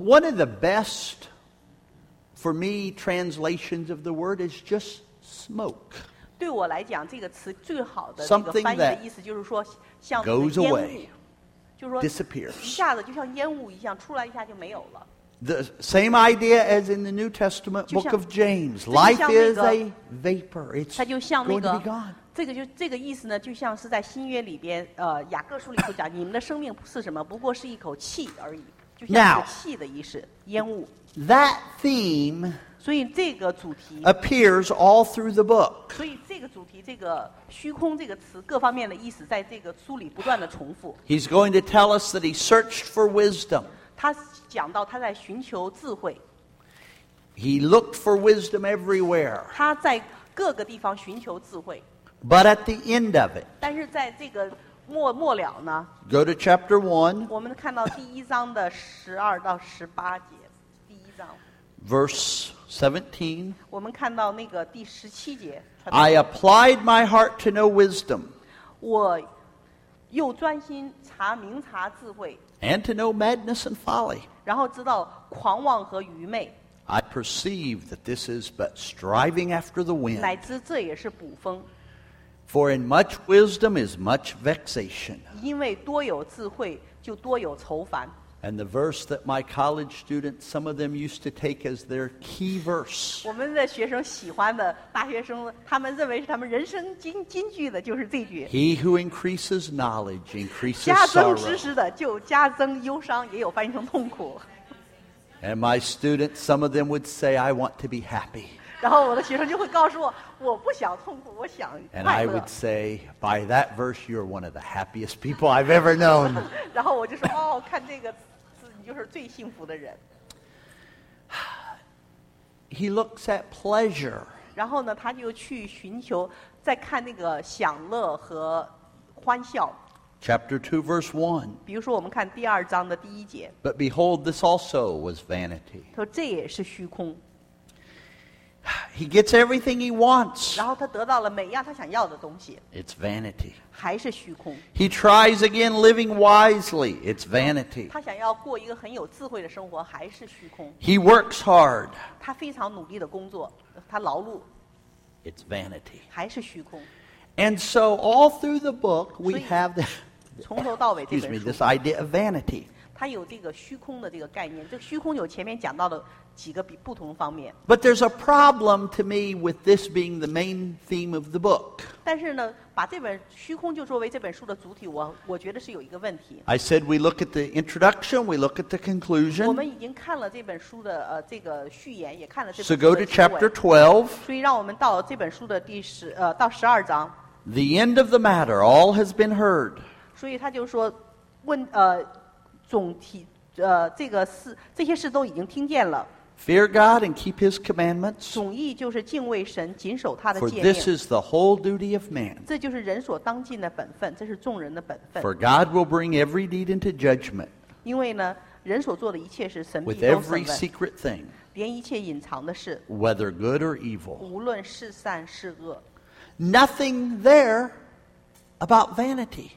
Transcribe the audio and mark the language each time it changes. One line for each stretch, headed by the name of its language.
English: One of the best, for me, translations of the word is just smoke.
Chinese: 对我来讲这个词最好的这个翻译的意思就是说像这个烟雾。
English: Goes away, disappears.
Chinese: 一下子就像烟雾一样出来一下就没有了。
English: The same idea as in the New Testament book of James. Life is a vapor. It's going to be gone.
Chinese: 这个就这个意思呢，就像是在新约里边，雅各书里头讲，你们的生命不是什么，不过是一口气而已，就像是气的意思，烟雾。
English: That theme.
Chinese: 所以这个主题
English: appears all through the book.
Chinese: 所以这个主题，这个虚空这个词，各方面的意思，在这个书里不断的重复。
English: He's going to tell us that he searched for wisdom.
Chinese: 他讲到他在寻求智慧。
English: He looked for wisdom everywhere.
Chinese: 他在各个地方寻求智慧。
English: But at the end of it.
Chinese: 但是在这个末了呢?
English: Go to chapter 1.
Chinese: 我们看到第一章的十二到十八节。第一章。
English: Verse 17.
Chinese: 我们看到那个第十七节。
English: I applied my heart to know wisdom.
Chinese: 我又专心查明察智慧。
English: And to know madness and folly.
Chinese: 然后知道狂妄和愚昧。
English: I perceive that this is but striving after the wind.
Chinese: 乃知这也是捕风。
English: For in much wisdom is much vexation.
Chinese: 因为多有智慧就多有愁烦。
English: And the verse that my college students, some of them used to take as their key verse.
Chinese: 我们的学生喜欢的大学生他们认为是他们人生金句的就是这句。
English: He who increases knowledge increases sorrow.
Chinese: 加增知识的就加增忧伤也有翻译成痛苦。
English: And my students, some of them would say, I want to be happy.
Chinese: 然后我的学生就会告诉我我不想痛苦我想快乐。
English: And I would say, by that verse, you're one of the happiest people I've ever known.
Chinese: 然后我就说哦看这个字你就是最幸福的人。
English: He looks at pleasure.
Chinese: 然后呢他就去寻求再看那个享乐和欢笑。
English: Chapter 2, verse 1.
Chinese: 比如说我们看第二章的第一节。
English: But behold, this also was vanity.
Chinese: 他说这也是虚空。
English: He gets everything he wants.
Chinese: 然后他得到了每样他想要的东西。
English: It's vanity.
Chinese: 还是虚空。
English: He tries again living wisely. It's vanity.
Chinese: 他想要过一个很有智慧的生活还是虚空。
English: He works hard.
Chinese: 他非常努力的工作他劳碌。
English: It's vanity.
Chinese: 还是虚空。
English: And so all through the book we have the,
Chinese: 从头到尾这本书,
English: excuse me, this idea of vanity.
Chinese: 他有这个虚空的这个概念这虚空有前面讲到的几个不同方面。
English: But there's a problem to me with this being the main theme of the book.
Chinese: 但是呢把这本虚空就作为这本书的主体我觉得是有一个问题。
English: I said we look at the introduction, we look at the conclusion.
Chinese: 我们已经看了这本书的这个序言也看了这本书的结尾。
English: So go to chapter 12.
Chinese: 所以让我们到这本书的第十到十二章。
English: The end of the matter, all has been heard.
Chinese: 所以他就说问总体这个事这些事都已经听见了。
English: Fear God and keep His commandments.
Chinese: 总意就是敬畏神，谨守他的诫
English: 命。For this is the whole duty of man.
Chinese: 这就是人所当尽的本分，这是众人的本分。
English: For God will bring every deed into judgment.
Chinese: 因为呢，人所做的一切是神必都审问。
English: With every secret thing.
Chinese: 连一切隐藏的事。
English: Whether good or evil.
Chinese: 无论是善是恶。
English: Nothing there about vanity.